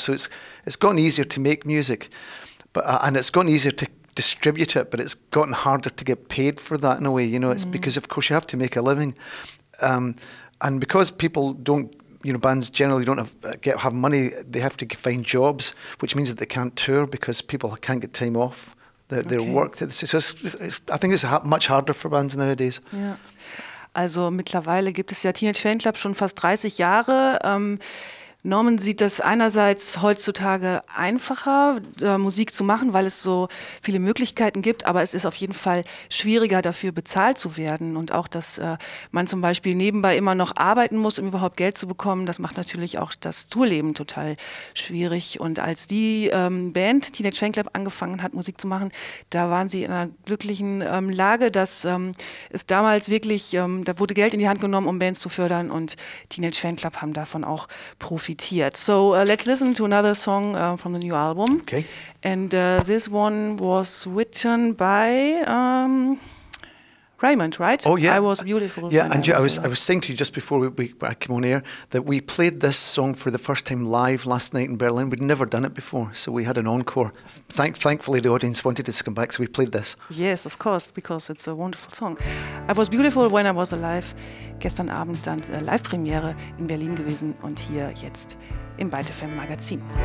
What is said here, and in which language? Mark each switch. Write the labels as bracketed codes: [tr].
[en] So it's gotten easier to make music, and it's gotten easier to distribute it, but it's gotten harder to get paid for that in a way, it's because, of course, you have to make a living. And because people don't... bands generally don't have money. They have to find jobs, which means that they can't tour because people can't get time off their work. I think it's much harder for bands nowadays. Yeah. [de] Also mittlerweile gibt es ja Teenage Fanclub schon fast 30 Jahre. Norman sieht das einerseits heutzutage einfacher, Musik zu machen, weil es so viele Möglichkeiten gibt, aber es ist auf jeden Fall schwieriger, dafür bezahlt zu werden. Und auch, dass man zum Beispiel nebenbei immer noch arbeiten muss, um überhaupt Geld zu bekommen, das macht natürlich auch das Tourleben total schwierig. Und als die Band Teenage Fanclub angefangen hat, Musik zu machen, da waren sie in einer glücklichen Lage, dass es damals wirklich, da wurde Geld in die Hand genommen, um Bands zu fördern, und Teenage Fanclub haben davon auch profitiert. [en] So let's listen to another song from the new album. Okay. And this one was written by Raymond, right? Oh yeah. I Was Beautiful. Yeah, and I was saying to you just before I came on air that we played this song for the first time live last night in Berlin. We'd never done it before, so we had an encore. Thankfully, the audience wanted us to come back, so we played this. Yes, of course, because it's a wonderful song. I Was Beautiful When I Was Alive. [de] Gestern Abend dann Live-Premiere in Berlin gewesen und hier jetzt im ByteFM Magazin.